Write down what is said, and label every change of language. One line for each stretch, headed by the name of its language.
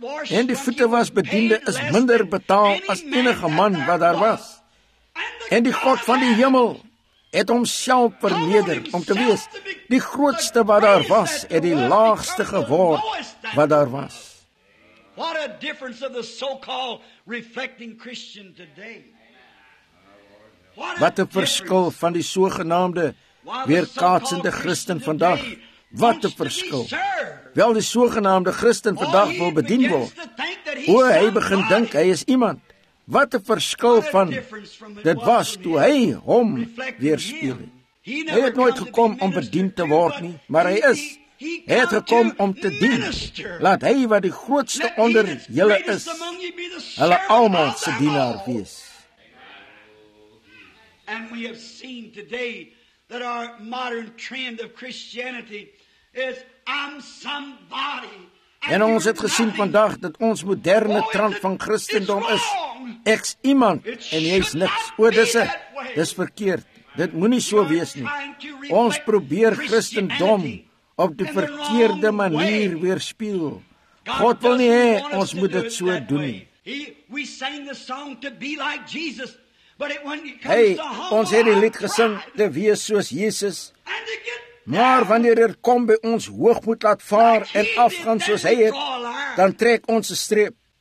Afrikaans: En die voete was bediende is minder betaal as enige man wat daar was. En die God van die hemel het homself verneder om te wees die grootste wat daar was en die laagste geword wat daar was.
English: What a difference of the so-called reflecting Christian today.
Afrikaans: Wat 'n verskil van die sogenaamde weerkaatsende Christen vandag. Wat 'n verskil. Wel, die sogenaamde Christen vandag wil bedien word. O, hy begin dink hy is iemand. Wat 'n verskil van dit was toe hy hom weerspieël het. Hy het nooit gekom om bediend te word nie, maar hy is. Hy het gekom om te dien. Laat hy wat die grootste onder julle is, hulle almal se dienaar wees.
English: And we have seen today that our modern trend of Christianity is I'm somebody.
Afrikaans: En ons het gesien vandag dat ons moderne trend van Christendom is ek's iemand en jy's niks. O, dis verkeerd. Dit moenie so wees nie. Ons probeer Christendom op die verkeerde manier weerspieël. God wil nie hê ons moet dit so doen nie.
English: We sang the song to be like Jesus.
Afrikaans: Ons het die lied gesing te wees soos Jesus, maar wanneer dit kom by ons hoogmoed laat vaar en afgaan soos hy het, dan trek ons 'n streep.